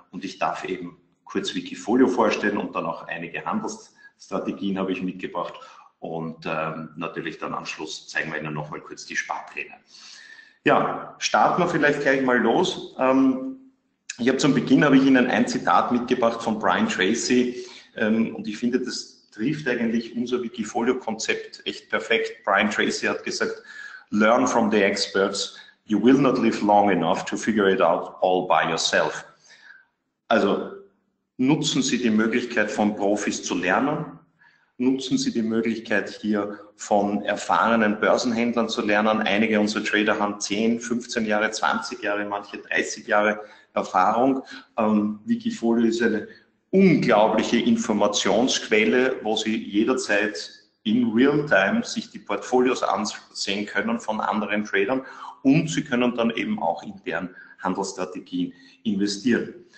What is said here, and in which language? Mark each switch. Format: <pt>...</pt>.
<de>Und ich darf eben kurz Wikifolio vorstellen und dann auch einige Handelsstrategien habe ich mitgebracht und natürlich dann am Schluss zeigen wir Ihnen noch mal kurz die Sparpläne. Ja, starten wir vielleicht gleich mal los. Ich habe zum Beginn habe ich Ihnen ein Zitat mitgebracht von Brian Tracy und ich finde, das trifft eigentlich unser Wikifolio-Konzept echt perfekt.</de> <en>Brian Tracy hat gesagt: "Learn from the experts. You will not live long enough to figure it out all by yourself."</en> <de>Also Nutzen Sie die Möglichkeit, von Profis zu lernen. Nutzen Sie die Möglichkeit, hier von erfahrenen Börsenhändlern zu lernen. Einige unserer Trader haben 10, 15 Jahre, 20 Jahre, manche 30 Jahre Erfahrung. Wikifolio ist eine unglaubliche Informationsquelle, wo Sie jederzeit in Realtime sich die Portfolios ansehen können von anderen Tradern und Sie können dann eben auch in deren Handelsstrategien investieren.</de>